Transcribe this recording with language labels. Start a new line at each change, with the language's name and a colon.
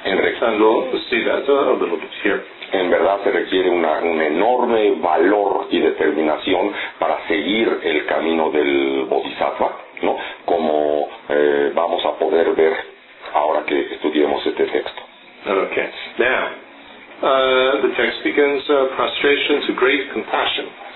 English: And we'll see that a little bit here.
Spanish: En verdad se requiere un enorme valor y determinación para seguir el camino del bodhisattva, ¿no? Como vamos a poder ver ahora que estudiemos este texto.
English: Okay. Now, the text begins prostration to great compassion.